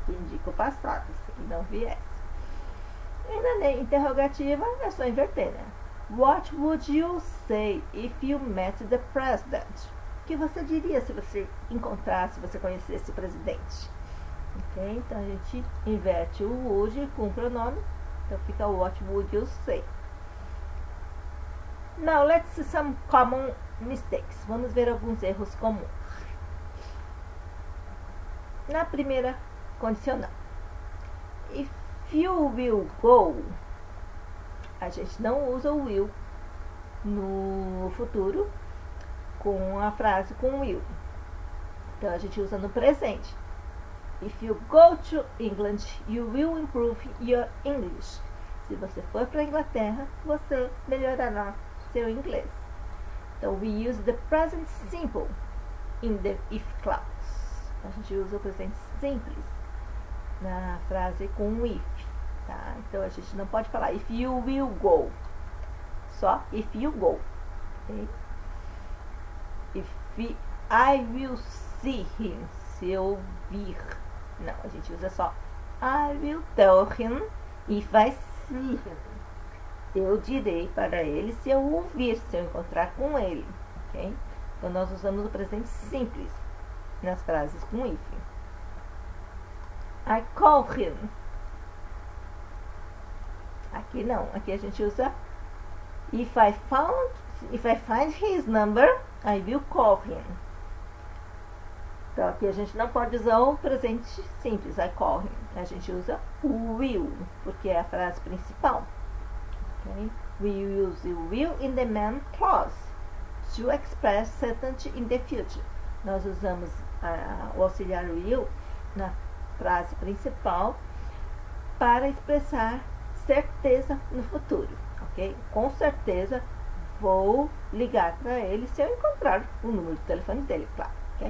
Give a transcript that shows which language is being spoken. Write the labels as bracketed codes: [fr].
[pt] Que indica o passado, se ele não viesse. E na interrogativa é só inverter, né? [en] What would you say if you met the president? [pt] O que você diria se você encontrasse, se você conhecesse o presidente? Ok? Então a gente inverte o would com o pronome. Então fica [en] what would you say? Now let's see some common mistakes. [pt] Vamos ver alguns erros comuns. Na primeira condicional. [en] If you will go, [pt] a gente não usa o will no futuro com a frase com will. Então a gente usa no presente. [en] If you go to England, you will improve your English. [pt] Se você for para a Inglaterra, você melhorará seu inglês. [en] Então we use the present simple in the if clause. [pt] A gente usa o presente simples na frase com if. Tá? Então a gente não pode falar [en] if you will go. [pt] Só if you go. Okay? [en] If I will see him. [pt] Se eu vir. Não, a gente usa só [en] I will tell him if I see him. [pt] Eu direi para ele se eu o vir, se eu encontrar com ele. Okay? Então nós usamos o presente simples nas frases com if. [en] I call him. [pt] Aqui não, aqui a gente usa [en] if I find his number, I will call him. [pt] Então, aqui a gente não pode usar o presente simples, [en] I call him. [pt] A gente usa will, porque é a frase principal. Okay? [en] We use will in the main clause to express certainty in the future. [pt] Nós usamos o auxiliar will na frase principal para expressar certeza no futuro. Ok? Com certeza vou ligar para ele se eu encontrar o número de telefone dele, claro.